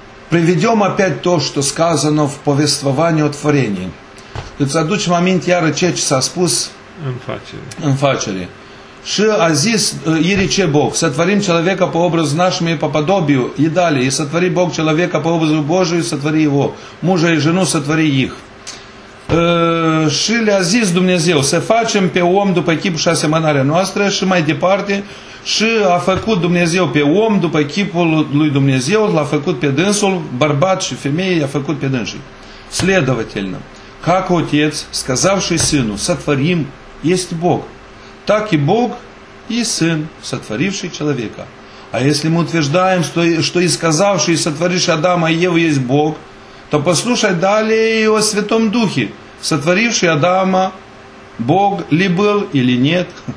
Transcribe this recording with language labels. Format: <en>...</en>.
<ru>Приведем опять то, что сказано в повествовании о творении.</ru> <ro>Îți aducem aminte iară ceea ce s-a spus în facere. Și a zis</ro> <ru>Ierice Bog, сотворим человека по образу нашему и по подобию, и далее, и сотвори Бог человека по образу Божию, сотвори его, мужа и жену сотвори их.</ru> <ro>Și le-a zis Dumnezeu, să facem pe om după chipul și asemănarea noastră și mai departe, și a făcut Dumnezeu pe om după chipul lui Dumnezeu, l-a făcut pe dânsul, bărbat și femeie, i-a făcut pe dânsul.</ro> <ru>Следовательно, как отец, сказавший сыну, сотворим, есть Бог, так и Бог и сын, сотворивший человека. А если мы утверждаем, что и сказавший, и сотворивший Адама и Еву есть Бог, то послушай далее и о Святом Духе, сотворивший Адама, Бог ли был или нет?</ru>